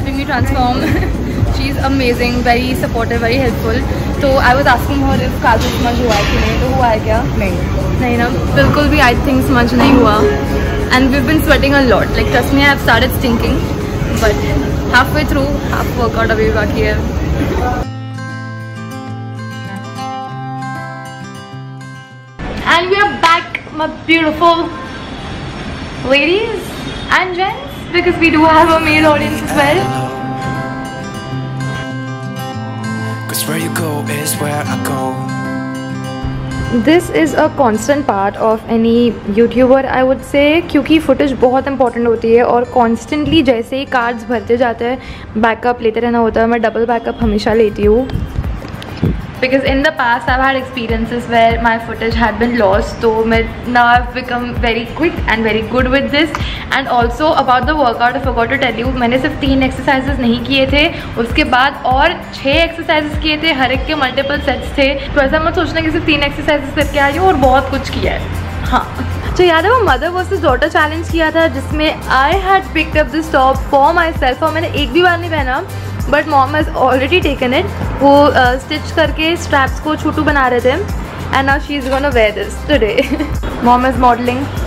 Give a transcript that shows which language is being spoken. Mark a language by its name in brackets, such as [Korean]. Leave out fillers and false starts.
[English] Amazing, very supportive, very helpful. So I was asking her if Kajal smudge [Hindi] हुआ है कि नहीं. तो हुआ है क्या? नहीं. नहीं ना. बिल्कुल भी [English] I think [Hindi] smudge नहीं हुआ. [English] And we've been sweating a lot. Like trust me, I have started stinking. But halfway through, half workout [Hindi] अभी बाकी है. [English] And we are back, my beautiful ladies and gents, because we do have a male audience as well. Where you go is where I go. This is a constant part of any YouTuber, I would say, [Hindi] क्योंकि footage बहुत important होती है और constantly जैसे ही cards भरते जाते हैं backup लेते रहना होता है. मैं double backup हमेशा लेती हूँ. [English] Because in the past I've had experiences where my footage had been lost, so now I've become very quick and very good with this. And also about the workout, I forgot to tell you, [Hindi] मैंने सिर्फ 3 exercises नहीं किए थे, उसके बाद और 6 exercises किए थे, हर एक के multiple sets थे. तो ऐसा मत सोचना कि सिर्फ 3 exercises करके आई हूँ और बहुत कुछ किया है. हाँ, अच्छा याद है वो [English] mother versus daughter challenge किया था जिसमें I had picked up this top for myself [Hindi] और मैंने एक भी बार नहीं पहना [English] but mom has already taken it वो stitch करके straps [Hindi] को छोटू बना रहे थे [English] and now she is gonna wear this today mom is modelling